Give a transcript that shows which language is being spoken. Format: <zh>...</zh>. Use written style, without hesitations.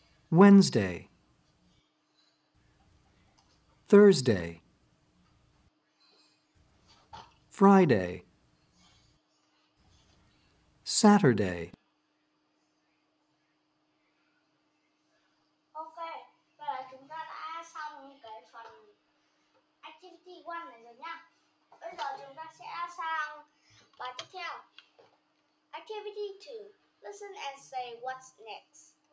<en>Wednesday, Thursday, Friday, Saturday.</en> <vi>Ok, vậy là chúng ta đã xong cái phần activity 1 này rồi nha. Bây giờ chúng ta sẽ sang bài tiếp theo.</vi> <en>Activity 2, listen and say what's next.</en>